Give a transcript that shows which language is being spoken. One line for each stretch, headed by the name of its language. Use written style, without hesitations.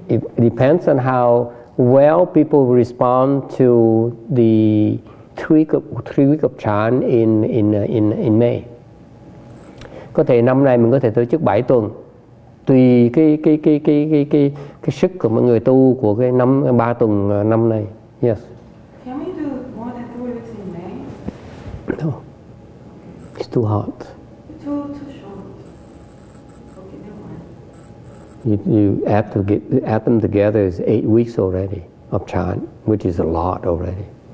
English: It depends on how well people respond to the three week of chan in May.
Vietnamese: Có thể năm nay mình có thể tổ chức 7 tuần. Tùy cái sức của mọi người tu của cái năm 3 tuần năm nay.
English: Yes. Can we do more than 3 weeks in May? No. It's too hot. You have to get add them together is 8 weeks already of chant, which is a lot already.